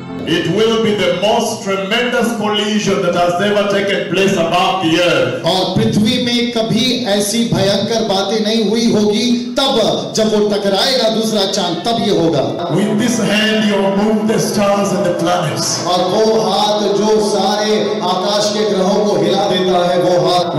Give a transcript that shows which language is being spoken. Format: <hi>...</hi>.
<en>It will be the most tremendous collision that has ever taken place above the earth.</en> <hi>और पृथ्वी में कभी ऐसी भयंकर बातें नहीं हुई होगी तब जब वो टकराएगा दूसरा चांद तब ये होगा.</hi> <en>With this hand you move the stars and the planets.</en> <hi>और वो हाथ जो सारे आकाश के ग्रहों को हिला देता है वो हाथ.</hi>